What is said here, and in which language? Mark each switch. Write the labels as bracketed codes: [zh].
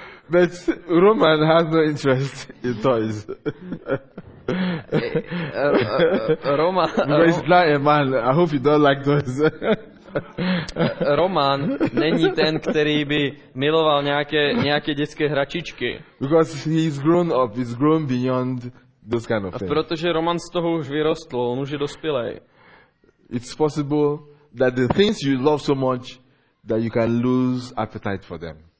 [en] But Roman has no interest in toys. Roman. He's not a man. I hope you don't like toys. [cs] Roman není ten, který by miloval nějaké dětské hračičky. [en] Because he's grown up, he's grown beyond those kind of things. [cs] Protože Roman z toho už vyrostl, on už je dospělý. [en] It's possible that the things you love so much that you can lose appetite for them.